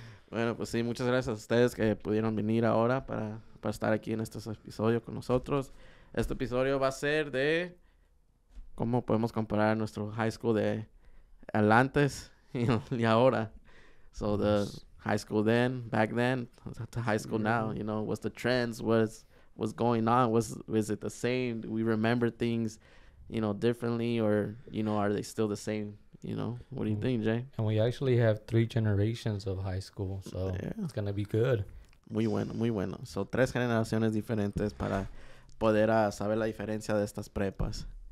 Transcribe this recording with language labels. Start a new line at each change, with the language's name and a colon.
Spanish: Bueno, pues sí, muchas gracias a ustedes que pudieron venir ahora para estar aquí en este episodio con nosotros. Este episodio va a ser de cómo podemos comparar nuestro high school de el antes y ahora.
English: So the high school then, back then, to high school now, you know, what's the trends, what's going on, was it the same? Do we remember things, you know, differently, or, you know, are they still the same? You know, what do you think, Jay? And we actually have three generations of high school, so yeah. It's going to be good.
Spanish: Muy bueno. So tres generaciones diferentes para poder saber la diferencia de estas prepas.